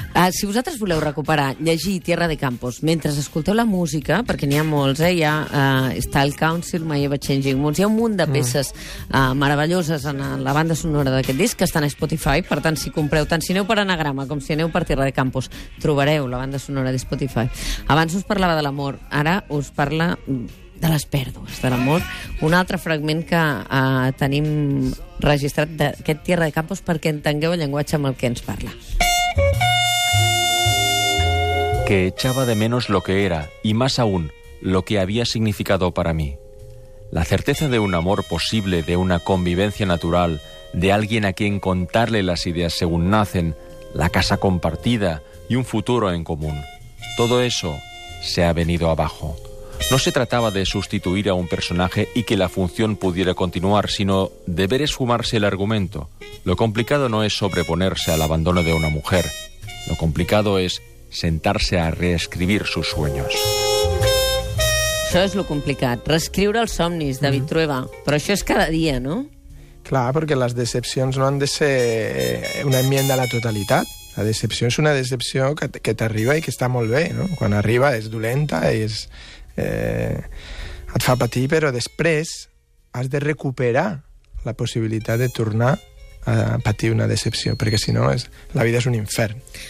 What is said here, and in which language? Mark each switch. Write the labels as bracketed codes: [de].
[ca] Si vosaltres voleu recuperar, llegir Tierra de Campos, mentre escolteu la música, perquè n'hi ha molts, hi ha Style Council, My Ever Changing Moons, hi ha un munt de peces meravelloses en la banda sonora d'aquest disc, que estan a Spotify, per tant, si compreu, tant si aneu per Anagrama com si aneu per Tierra de Campos, trobareu la banda sonora de Spotify. Abans us parlava de l'amor, ara us parla de les pèrdues, de l'amor. Un altre fragment que tenim registrat d'aquest Tierra de Campos perquè entengueu el llenguatge amb el que ens parla. [es] Que echaba de menos lo que era y más aún lo que había significado para mí. La certeza de un amor posible, de una convivencia natural, de alguien a quien contarle las ideas según nacen, la casa compartida y un futuro en común. Todo eso se ha venido abajo. No se trataba de sustituir a un personaje y que la función pudiera continuar, sino de ver esfumarse el argumento. Lo complicado no es sobreponerse al abandono de una mujer. Lo complicado es sentarse a reescribir sus sueños. [ca] Això és lo complicat, reescriure els somnis, David Trueba. Però això és cada dia, no? Clar, perquè les decepcions no han de ser una enmienda a la totalitat. La decepció és una decepció que t'arriba i que està molt bé, no? Quan arriba és dolenta i és... et fa patir, però després has de recuperar la possibilitat de tornar a patir una decepció, perquè si no la vida és un infern.